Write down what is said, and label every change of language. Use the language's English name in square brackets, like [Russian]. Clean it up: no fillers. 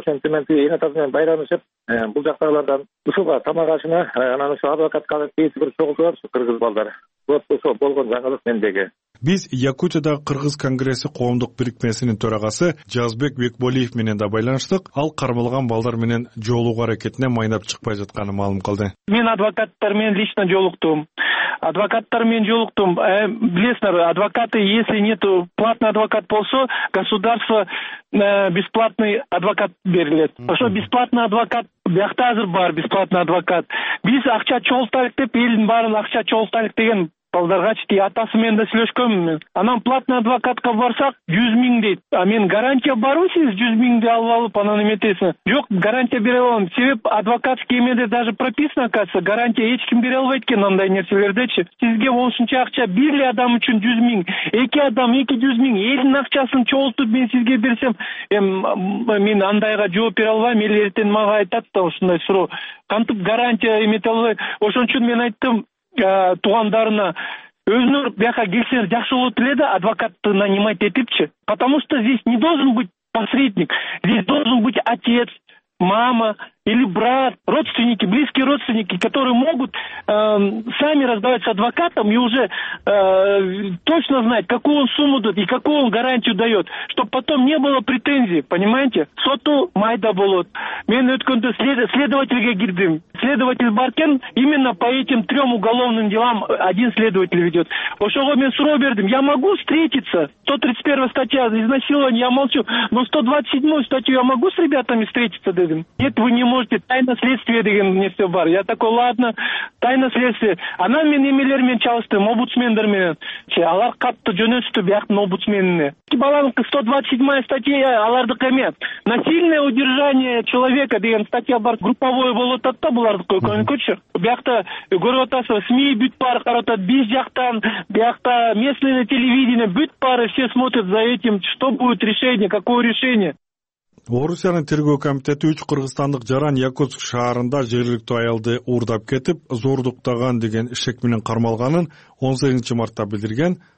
[Kyrgyz] Ошентип мен тиги эне атасы менен байланышып, бул жактагылардан ушул тамак ашына анан ушул адвокатка тийиштүү чогултуп кыргыз балдар. Болгон жаңылык мендеги. Биз Якутиядагы кыргыз конгресси коомдук бирикмесинин төрагасы Жазбек Бекболиев менен да байланыштык. Ал кармалган балдар менен жолугуу аракетине майнап чыкпай жатканын маалым кылды. Мен адвокаттар менен лично жолуктум. Адвокаттар менен жолуктум. [Russian] Билесиңер, адвокаты, если нету платный адвокат болсо, государство бесплатный адвокат берилет. [Kyrgyz] Ошо бесплатный адвокат биякта азыр бар, бесплатный адвокат. Биз акча чогултайлык деп элдин баарын акча чогултайлык деген балдаргачы тиги атасы менен да сүйлөшкөнмүн мен. Анан платный адвокатка барсак 100 000 дейт. А мен гарантия барбы сиз 100 000 алып алып анан эметесиң? Жок, гарантия бере албайм. Себеп адвокатский эмеде [Russian] даже прописано, оказывается, [Kyrgyz] гарантия эч ким бере албайт экен андай нерселердечи. Сизге ошончо акча бир эле адам үчүн 100 000, эки адам 200 000, элдин акчасын чогултуп мен сизге берсем, мен андайга жооп бере албайм. Эл эртең мага айтат да ушундай суроо. Кантип гарантия эмете албайм? Ошон үчүн мен айттым туугандарына, өзүңөр бияка келсеңер жакшы болот эле да адвокатты нанимать этипчи. [Russian] Потому что здесь не должен быть посредник, здесь должен быть отец, мама или брат, родственники, близкие родственники, которые могут сами разговаривать с адвокатом и уже точно знать, какую он сумму дает и какую он гарантию дает, чтобы потом не было претензий, понимаете? [Kyrgyz] Соту майда болот. Мен өткөндө следователге кирдим. [Russian] Следователь Баркен именно по этим трем уголовным делам один следователь ведет. [Kyrgyz] Ошого мен суроо бердим. [Russian] Я могу встретиться? 131 статья изнасилования, я молчу. Но 127 статью я могу с ребятами встретиться, дедим? Нет, вы не можете, тайна следствия [Kyrgyz] деген нерсе бар. [Russian] Я такой, ладно, тайна следствия. [Kyrgyz] Анан мен эмелер менен чалыштым, обуцмендер менен. Алар катты жөнөттү бияктын обуцменине. Баланын 127 статья алардыкы эме. Насильное удержание человека деген статья бар. Групповое болуп атат да булардыкы экөнүкүчү. Биякта көрүп атасыз, СМИ бүт баары каратат, биз жактан, биякта местное телевидение бүт баары [Russian] все смотрят за этим, что будет решение, какое решение. [Kyrgyz] Орусиянын тергөө комитети 3 кыргызстандык жаран Якутск шаарында жергиликтүү аялды уурдап кетип, зордуктаган деген шек менен кармалганын 18 мартта билдирген.